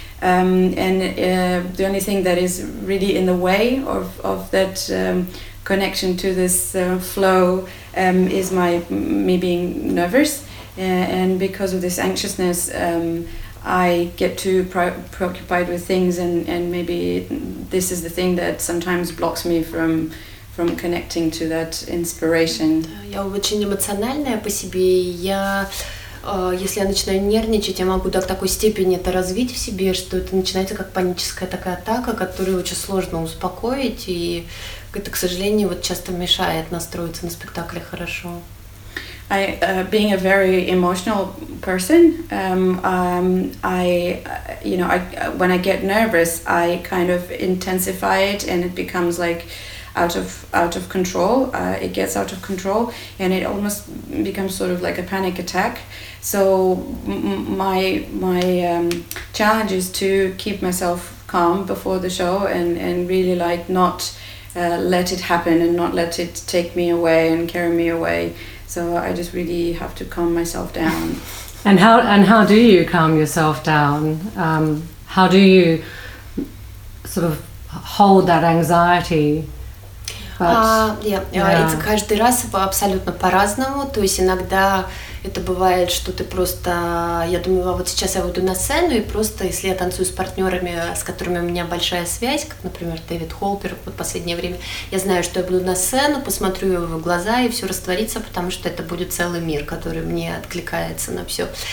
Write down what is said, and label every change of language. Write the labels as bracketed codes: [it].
[en] The only thing that is really in the way of that connection to this flow is me being nervous. And because of this anxiousness, I get too preoccupied with things and maybe this is the thing that sometimes blocks me from connecting to that inspiration. [ru] Я очень эмоциональная по себе. Я, если я начинаю нервничать, я могу до такой степени это развить в себе, что это начинается как паническая такая атака, которую очень сложно успокоить, и это, к сожалению, вот часто мешает настроиться на спектакле хорошо. [en] I, being a very emotional person, when I get nervous, I kind of intensify it, and it becomes like out of control. It gets out of control, and it almost becomes sort of like a panic attack. So my challenge is to keep myself calm before the show, and really like not let it happen, and not let it take me away and carry me away. So I just really have to calm myself down. And how do you calm yourself down? How do you sort of hold that anxiety? [ru] Это каждый раз абсолютно по-разному. То есть иногда это бывает, что ты просто, я думаю, вот сейчас я выйду на сцену, и просто если я танцую с партнерами, с которыми у меня большая связь, как, например, Дэвид Холпер, вот последнее время, я знаю, что я буду на сцену, посмотрю его в глаза, и все растворится, потому что это будет целый мир, который мне откликается на все.